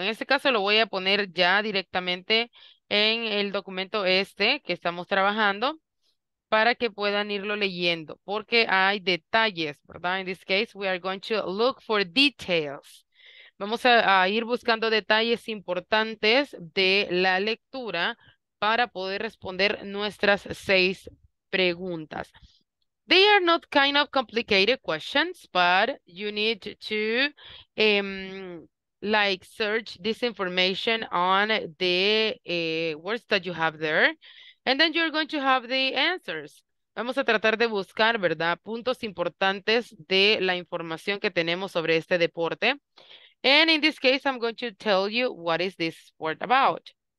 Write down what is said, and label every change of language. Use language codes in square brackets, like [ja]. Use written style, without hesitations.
[es] En este caso lo voy a poner ya directamente en el documento este que estamos trabajando para que puedan irlo leyendo, porque hay detalles, ¿verdad? [en] In this case, we are going to look for details. [es] Vamos a ir buscando detalles importantes de la lectura para poder responder nuestras 6 preguntas. [en] They are not kind of complicated questions, but you need to like search this information on the words that you have there. And then you're going to have the answers. [es] Vamos a tratar de buscar, ¿verdad?, puntos importantes de la información que tenemos sobre este deporte. [en] And in this case, I'm going to tell you what is this sport about.